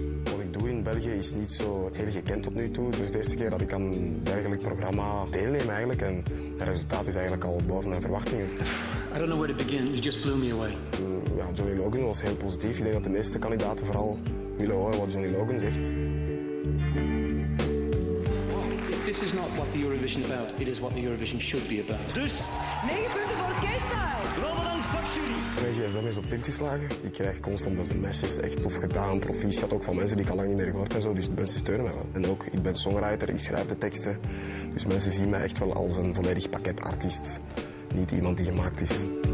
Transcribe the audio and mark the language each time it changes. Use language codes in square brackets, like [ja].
[nl] Wat ik doe in België is niet zo heel gekend tot nu toe. Dus de eerste keer dat ik aan dergelijk programma deelneem eigenlijk. En het resultaat is eigenlijk al boven mijn verwachtingen. [en] I don't know where to begin. You just blew me away. [nl] Ja, Johnny Logan was heel positief. Ik denk dat de meeste kandidaten vooral willen horen wat Johnny Logan zegt. [en] This is not what the Eurovision is about. It is what the Eurovision should be about. [nl] Dus 9 punten voor Kay Styles. Wel bedankt, fuck jullie. Mijn gsm is op tilt geslagen. Ik krijg constant dat zijn message echt tof gedaan. Proficiat ook van mensen die ik al lang niet meer gehoord en zo. Dus mensen steunen mij wel. En ook, ik ben songwriter, ik schrijf de teksten. Dus mensen zien mij echt wel als een volledig pakket artiest. Niet iemand die gemaakt is.